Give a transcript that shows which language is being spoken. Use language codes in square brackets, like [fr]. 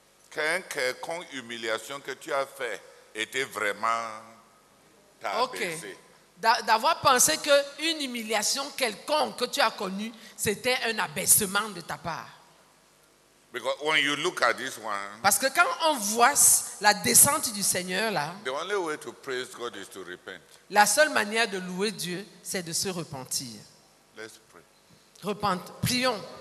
[fr] quelconque humiliation que tu as fait était vraiment ta baissée. D'avoir pensé qu'une humiliation quelconque que tu as connue, c'était un abaissement de ta part. [en] Because when you look at this one, [fr] parce que quand on voit la descente du Seigneur là, [en] the only way to praise God is to repent. [fr] La seule manière de louer Dieu, c'est de se repentir. [en] Let's pray. [fr] Prions.